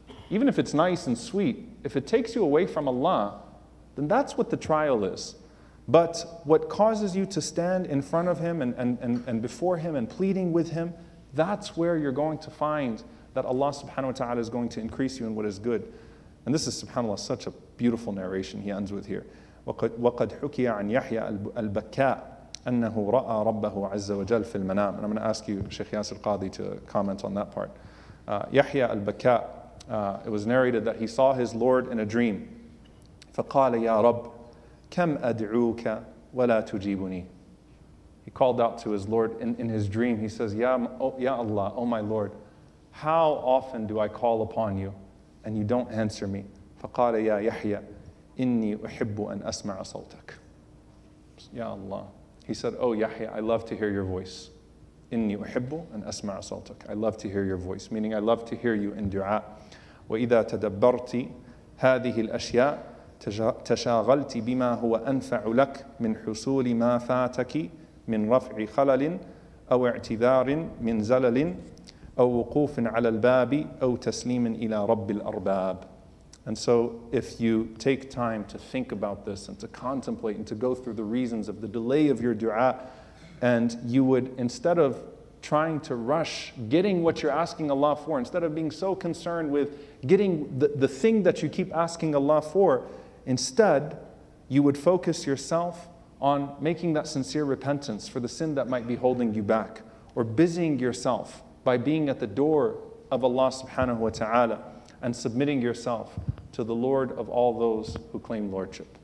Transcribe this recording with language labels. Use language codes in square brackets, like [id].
[en] Even if it's nice and sweet, if it takes you away from Allah, then that's what the trial is. But what causes you to stand in front of him and before him and pleading with him, that's where you're going to find that Allah subhanahu wa ta'ala is going to increase you in what is good. And this is, subhanAllah, such a beautiful narration he ends with here. [ar] وقد حكي عن يحيى البكاء أنه رأى ربه عز وجل في المنام. [en] And I'm going to ask you, Sheikh Yasir Qadhi, to comment on that part. يحيى البكاء, it was narrated that he saw his Lord in a dream. [ar] فقال يا رب كم أدعوك ولا تجيبني. [en] He called out to his Lord in his dream. He says, Ya Allah, O my Lord, how often do I call upon you and you don't answer me? [ar] فقال يا يحيى إني أحب أن أسمع صوتك. Ya Allah. [en] He said, Oh Yahya, I love to hear your voice. [ar] إني أحب أن أسمع صوتك. [en] I love to hear your voice, meaning I love to hear you in dua. [ar] وإذا تدبرت هذه الأشياء تشاغلت بما هو أنفع لك من حصول ما فاتك من رفع خلل أو اعتذار من زلل أو وقوف على الباب أو تسليم إلى رب الأرباب. [en] And so if you take time to think about this and to contemplate and to go through the reasons of the delay of your dua, and you would, instead of trying to rush getting what you're asking Allah for, instead of being so concerned with getting the thing that you keep asking Allah for, instead you would focus yourself on making that sincere repentance for the sin that might be holding you back, or busying yourself by being at the door of Allah subhanahu wa ta'ala and submitting yourself to the Lord of all those who claim lordship.